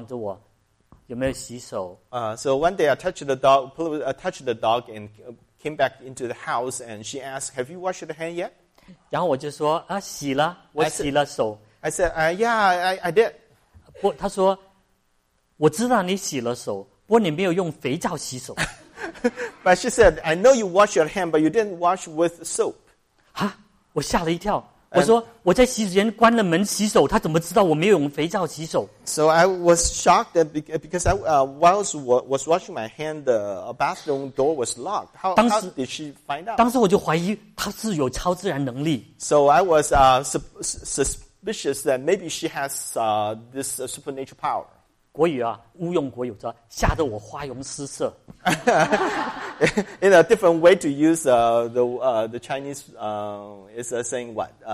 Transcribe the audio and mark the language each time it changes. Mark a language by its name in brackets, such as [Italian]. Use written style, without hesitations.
[Chinese] 有一次呢，我在外面摸了狗之后，回家的时候，师母就望着我，有没有洗手。 [English] So one day I touched the dog, and came back into the house, and she asked, have you washed your hand yet? [Chinese] 然后我就说，洗了，我洗了手。 [English] I said, yeah, I did. [Chinese] 不，他说，我知道你洗了手，不过你没有用肥皂洗手。 But [English] she said, I know you wash your hand, but you didn't wash with soap. [Chinese] 啊，我吓了一跳。我说，我在洗手间关了门洗手，他怎么知道我没有用肥皂洗手？ [English] So I was shocked because I, whilst was washing my hand, the bathroom door was locked. How did she find out? [Chinese] 当时我就怀疑她是有超自然能力。 [English] So I was suspicious that maybe she has this supernatural power. [Chinese] 国语啊，乌用国语，吓得我花容失色。 [English] In a different way to use the Chinese is saying what?